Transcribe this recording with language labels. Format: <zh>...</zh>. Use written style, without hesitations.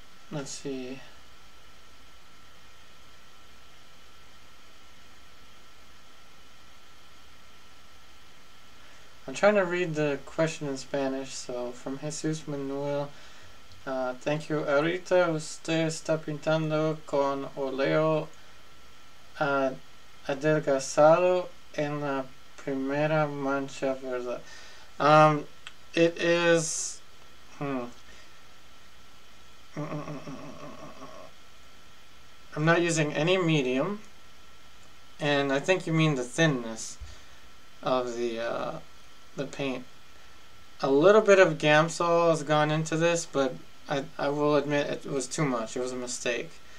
<en>Let's see. I'm trying to read the question in Spanish, so from Jesus Manuel. Thank you.</en> <es>Ahorita usted está pintando con óleo adelgazado en la primera mancha, ¿verdad?</es> <en>It is... I'm not using any medium, and I think you mean the thinness of the paint. A little bit of Gamsol has gone into this, but I will admit it was too much. It was a mistake.</en>